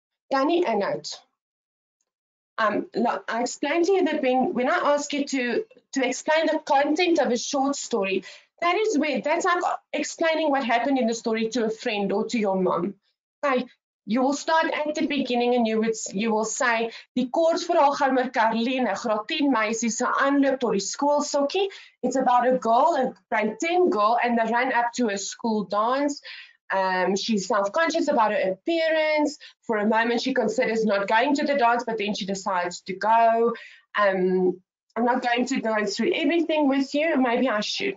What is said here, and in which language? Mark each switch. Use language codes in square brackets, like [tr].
[en] Danny, a note. I explained to you that when I ask you to explain the content of a short story, that is where, that's like explaining what happened in the story to a friend or to your mom. Okay. You will start at the beginning and you will say, [af] die koorsverhaal gaan oor Karleen, 'n graad 10 meisie se aanloop tot die skool sokkie. [en] It's about a girl, a grade 10 girl, and they run up to a school dance. She's self-conscious about her appearance. For a moment, she considers not going to the dance, but then she decides to go. I'm not going to go through everything with you. Maybe I should.